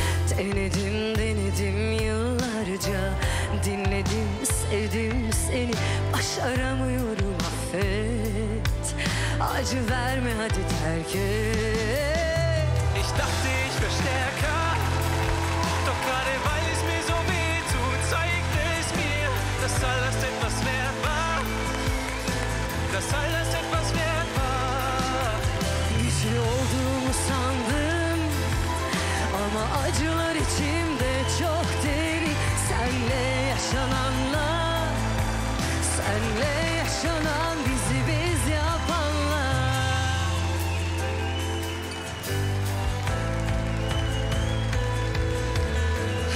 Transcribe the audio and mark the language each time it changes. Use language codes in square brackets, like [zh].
[tr] Denedim, denedim yıllarca, dinledim, sevdim seni, başaramıyorum affet, acı verme hadi terk et. [de] Ich dachte ich wär stärker, doch gerade weil es mir so weh tut, zeigt es mir, dass alles etwas wert war. Dass alles etwas wert war. [tr] Güçlü olduğumu sandım, ama acılar içimde çok derin. Senle yaşananlar, senle yaşanan bizi biz yapanlar.